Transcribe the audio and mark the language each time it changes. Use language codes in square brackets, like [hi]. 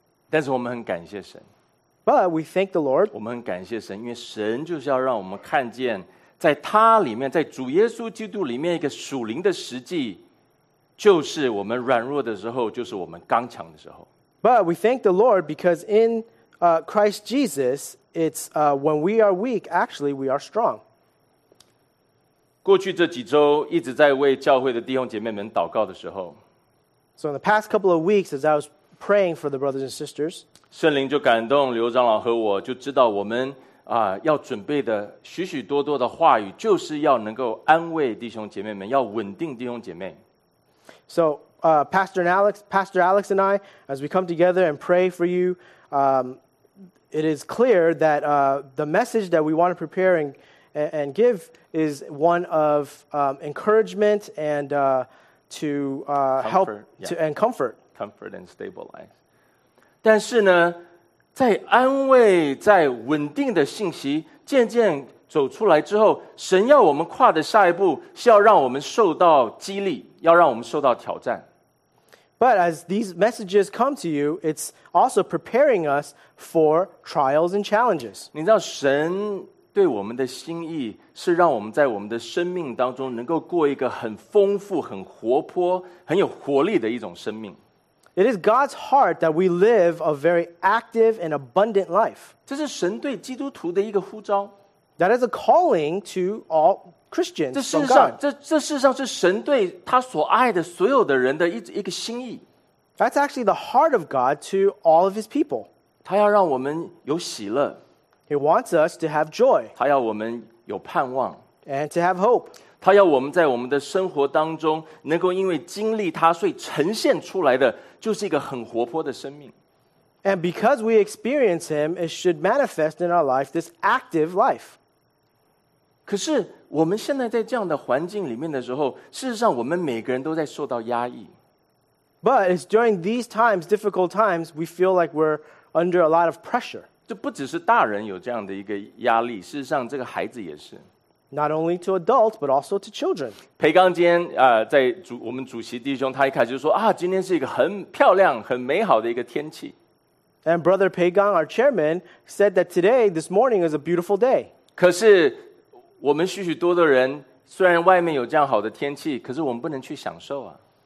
[zh] 但是我们很感谢神。 [en] But we thank the Lord. [zh] 我们很感谢神，因为神就是要让我们看见在他里面，在主耶稣基督里面一个属灵的实际，就是我们软弱的时候，就是我们刚强的时候。 [en] But we thank the Lord because in Christ Jesus, it's when we are weak, actually we are strong. [zh] 过去这几周一直在为教会的弟兄姐妹们祷告的时候 [en] So in the past couple of weeks, as I was praying for the brothers and sisters, [zh] 圣灵就感动刘长老和我就知道我们要准备的许许多多的话语就是要能够安慰弟兄姐妹们要稳定弟兄姐妹 [en] So,Pastor Alex and I, as we come together and pray for you, it is clear that the message that we want to prepare and give is one of encouragement and to comfort, help to, and comfort. Comfort and stabilize. 但是呢， [zh] 在安慰、在稳定的信息渐渐走出来之后，神要我们跨的下一步是要让我们受到激励，要让我们受到挑战。 [en] But as these messages come to you, it's also preparing us for trials and challenges. [zh] 你知道神对我们的心意是让我们在我们的生命当中能够过一个很丰富、很活泼、很有活力的一种生命。 [en] It is God's heart that we live a very active and abundant life. [zh] 这是神对基督徒的一个呼召。 [en] That is a calling to all Christians from God. [zh] 这事实上是神对他所爱的所有的人的一个心意。 [en] That's actually the heart of God to all of his people. [zh] 他要让我们有喜乐。 [en] He wants us to have joy. [zh] 他要我们有盼望。 [en] And to have hope. [zh] 他要我们在我们的生活当中能够因为经历他所以呈现出来的就是一个很活泼的生命。 [en] And because we experience him, it should manifest in our life this active life. [zh] 可是我们现在在这样的环境里面的时候，事实上我们每个人都在受到压抑。 [en] But it's during these times, difficult times, we feel like we're under a lot of pressure. [zh] 这不只是大人有这样的一个压力，事实上这个孩子也是。 [en] Not only to adults, but also to children. [zh] 培刚今天在我们主席弟兄，他一开始就说啊，今天是一个很漂亮、很美好的一个天气。 [en] And Brother Pei Gang, our chairman, said that today, this morning, is a beautiful day. [zh] 可是我们许许多的人，虽然外面有这样好的天气，可是我们不能去享受啊。